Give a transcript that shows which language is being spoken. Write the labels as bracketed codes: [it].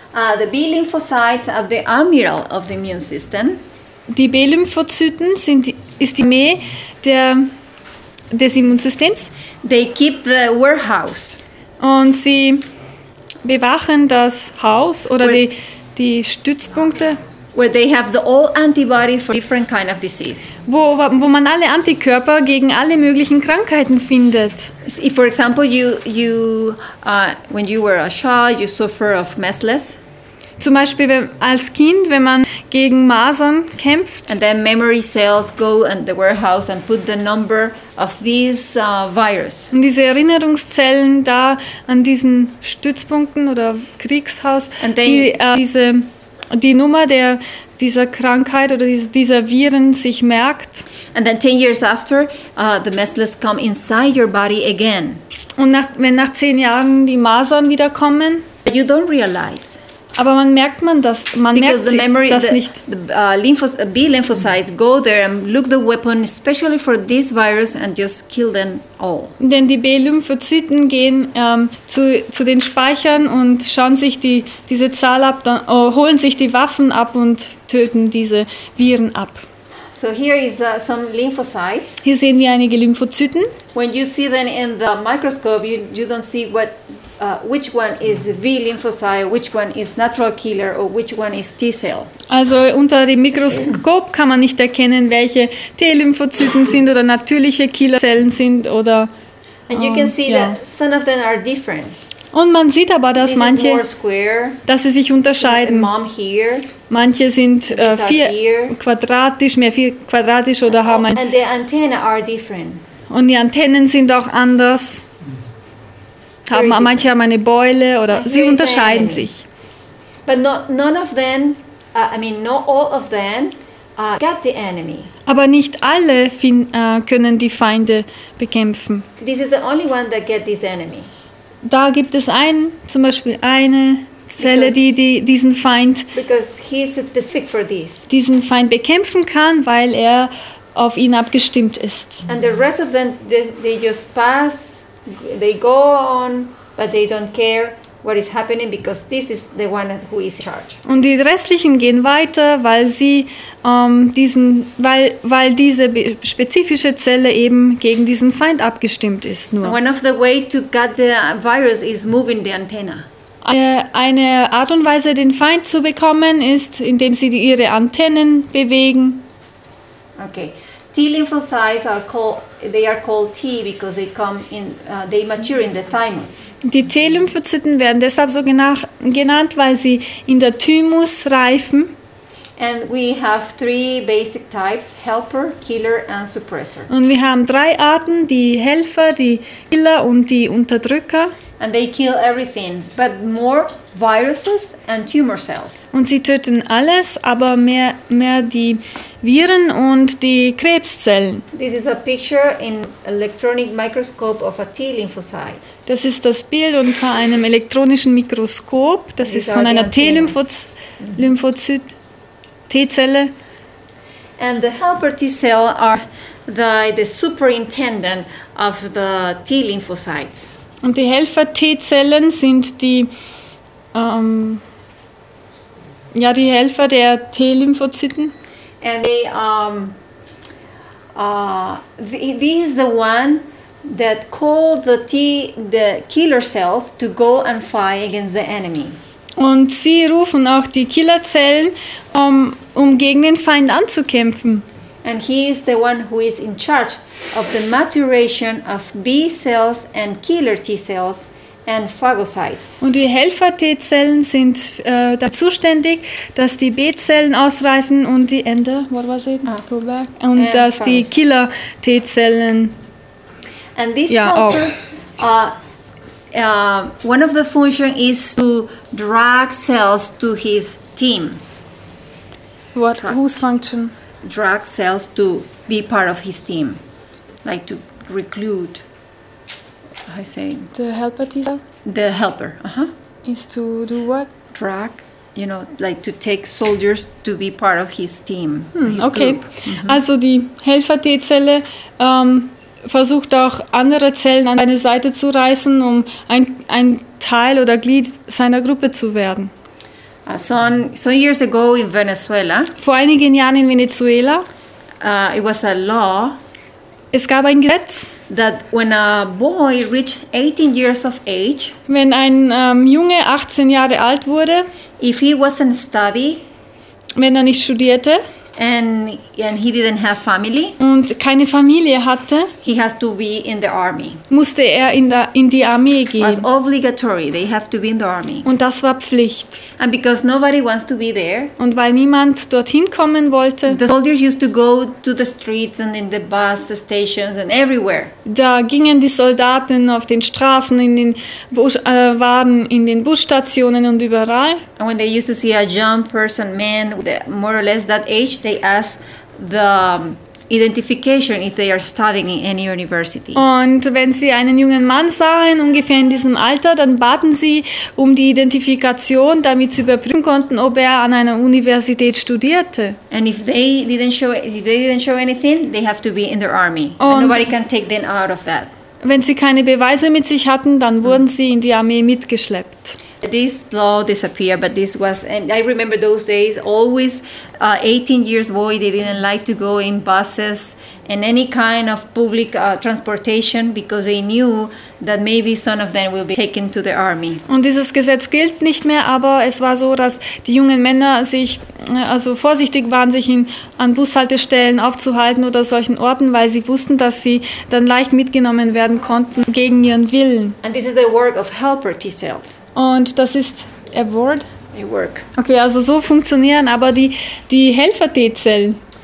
[en] The B lymphocytes are the admiral of the immune system. [de] Die B Lymphozyten ist die Armee des Immunsystems. [en] They keep the warehouse. [de] Und sie bewachen das Haus oder die Stützpunkte. [en] Where they have the all antibodies for different kind of disease. [de] Wo man alle Antikörper gegen alle möglichen Krankheiten findet. [en] If for example when you were a child, you suffer of measles. [de] Zum Beispiel als Kind, wenn man gegen Masern kämpft. [en] And then memory cells go in the warehouse and put the number of these virus. [de] Und diese Erinnerungszellen da an diesen Stützpunkten oder Kriegshaus, die Nummer dieser Krankheit oder dieser Viren sich merkt. [en] And then 10 years after, the measles come inside your body again. [de] Und wenn nach 10 Jahren die Masern wieder kommen. [en] But you don't realize. [de] Aber man merkt das nicht. [en] B lymphocytes go there and look the weapon especially for this virus and just kill them all. [de] Denn die B Lymphozyten gehen zu den Speichern und schauen sich diese Zahl ab, dann holen sich die Waffen ab und töten diese Viren ab. [en] So here is some lymphocytes. [de] Hier sehen wir einige Lymphozyten. [en] When you see them in the microscope, you don't see what which one is V lymphocyte, which one is natural killer or which one is T cell. [de] Also unter dem Mikroskop kann man nicht erkennen, welche T Lymphozyten sind oder natürliche Killerzellen sind oder [en] and you can see that some of them are different. [de] Und man sieht aber, dass [en] this [de] manche, [en] square, [de] dass sie sich unterscheiden. [en] Here, [de] manche sind mehr vier quadratisch oder [en] and, [de] haben [en] and the antenna are different. [de] Und die Antennen sind auch anders. Haben, manche haben eine Beule oder sie unterscheiden sich. [en] But not, none of them, I mean not all of them, got the enemy. [de] Aber nicht alle können die Feinde bekämpfen. [en] This is the only one that get this enemy. [de] Da gibt es zum Beispiel eine Zelle, diesen Feind bekämpfen kann, weil er auf ihn abgestimmt ist. [en] And the rest of them, they just pass, they go on, but they don't care what is happening because this is the one who is in charge. [de] Und die restlichen gehen weiter, weil sie weil diese spezifische Zelle eben gegen diesen Feind abgestimmt ist nur. [en] One of the way to get the virus is moving the antenna. [de] Eine Art und Weise, den Feind zu bekommen, ist, indem sie ihre Antennen bewegen. [en] Okay. T lymphocytes are called, they are called T because they come in, they mature in the thymus. [de] Die T-Lymphozyten werden deshalb so genannt, weil sie in der Thymus reifen. [en] And we have three basic types: helper, killer and suppressor. [de] Und wir haben drei Arten: die Helfer, die Killer und die Unterdrücker. [en] And they kill everything, but more viruses and tumor cells. [de] Und sie töten alles, aber mehr die Viren und die Krebszellen. [en] This is a picture in electronic microscope of a T lymphocyte. [de] Das ist das Bild unter einem elektronischen Mikroskop. Das ist von einer T-Zelle. [en] And the helper T cell are the superintendent of the T lymphocytes. [de] Und die Helfer-T-Zellen sind die Helfer der T-Lymphozyten. [en] And they, this is the one that call the killer cells to go and fight against the enemy. [de] Und sie rufen auch die Killerzellen, um gegen den Feind anzukämpfen. [en] And he is the one who is in charge of the maturation of B cells and killer T cells and phagocytes. [de] Und die Helfer T-Zellen sind dafür zuständig, dass die B-Zellen ausreifen und die Ender, [en] what was it? Ah, go back. [de] Und dass die Killer T-Zellen. [en] And this helper, one of the function is to drag cells to his team. What? Whose function? Drag cells to be part of his team, like to recruit. How I say? The helper T-cell? The helper, uh-huh. Is to do what? Drag, you know, like to take soldiers to be part of his team, his okay, group. [de] Also die Helfer-T-Zelle versucht auch andere Zellen an seine Seite zu reißen, um ein Teil oder Glied seiner Gruppe zu werden. [en] Some years ago in Venezuela. [de] Vor einigen Jahren in Venezuela. [en] It was a law. [de] Es gab ein Gesetz, [en] that when a boy reached 18 years of age. [de] Wenn ein Junge 18 Jahre alt wurde. [en] If he wasn't study. [de] Wenn er nicht studierte. [en] And he didn't have family. [de] Und keine Familie hatte. [en] He has to be in the army. [de] Musste er in die Armee gehen. [en] Was obligatory. They have to be in the army. [de] Und das war Pflicht. [en] And because nobody wants to be there. [de] Und weil niemand dorthin kommen wollte. [en] The soldiers used to go to the streets and in the bus stations and everywhere. [de] Da gingen die Soldaten auf den Straßen, in den Waren, in den Busstationen und überall. [en] And when they used to see a young person, man, more or less that age, they ask the identification if they are studying in any university. [de] Und wenn sie einen jungen Mann sahen, ungefähr in diesem Alter, dann baten sie um die Identifikation, damit sie überprüfen konnten, ob er an einer Universität studierte. [en] And if they didn't show anything, they have to be in the army. [de] Und [en] nobody can take them out of that. [de] Wenn sie keine Beweise mit sich hatten, dann wurden sie in die Armee mitgeschleppt. [en] this law disappeared, but this was, and I remember those days, always 18 years boy, they didn't like to go in buses and any kind of public transportation, because they knew that maybe some of them will be taken to the army. [de] Und dieses Gesetz gilt nicht mehr, aber es war so, dass die jungen Männer sich also vorsichtig waren, sich an Bushaltestellen aufzuhalten oder solchen Orten, weil sie wussten, dass sie dann leicht mitgenommen werden konnten gegen ihren Willen. [en] And this is the work of helper T-cells. [de] Und das ist [en] a word? A work. [de] Okay, also so funktionieren aber die Helfer-T-Zellen.